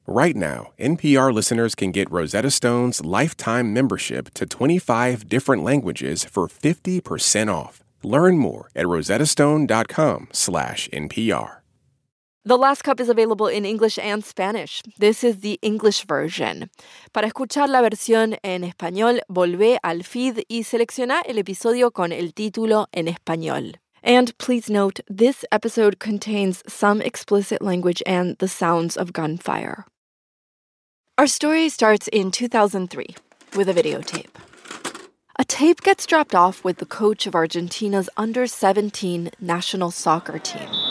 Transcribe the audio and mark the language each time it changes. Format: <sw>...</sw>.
<en>Right now, NPR listeners can get Rosetta Stone's lifetime membership to 25 different languages for 50% off. Learn more at rosettastone.com/NPR. The Last Cup is available in English and Spanish. This is the English version.</en> <es>Para escuchar la versión en español, volvé al feed y selecciona el episodio con el título en español.</es> <en>And please note, this episode contains some explicit language and the sounds of gunfire. Our story starts in 2003 with a videotape. A tape gets dropped off with the coach of Argentina's under-17 national soccer team.</en>